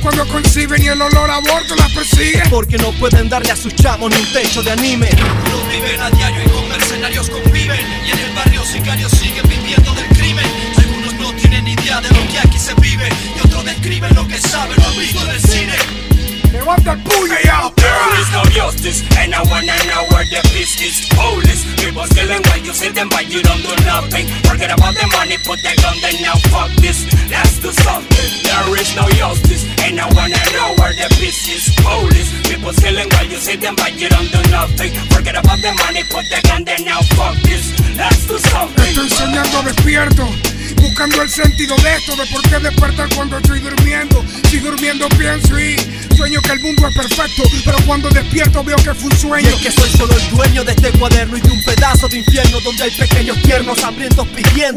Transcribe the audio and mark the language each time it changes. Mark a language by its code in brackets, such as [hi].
[es] Cuando conciben y el olor a aborto las persigue, porque no pueden darle a sus chamos ni un techo de anime. Los viven a diario y con mercenarios conviven, y en el barrio sicarios siguen viviendo del crimen. Algunos no tienen idea de lo que aquí se vive, y otros describen lo que saben, lo han visto en el cine. Levanta el puño y out. [en] There is no justice, and I wanna know where the peace is. Police, people killing while you see them, but you don't do nothing. Forget about the money, put the gun down, now fuck this. Let's do something. There is no justice, and I wanna know where the peace is. Police, people killing while you see them, but you don't do nothing. Forget about the money, put the gun down, now fuck this. Let's do something. [es] Estoy soñando despierto, buscando el sentido de esto, de por qué despertar cuando estoy durmiendo. Si durmiendo pienso y sueño que el mundo es perfecto, pero cuando despierto veo que fue un sueño. Y es que soy solo el dueño de este cuaderno y de un pedazo de infierno donde hay pequeños tiernos hambrientos pidiendo.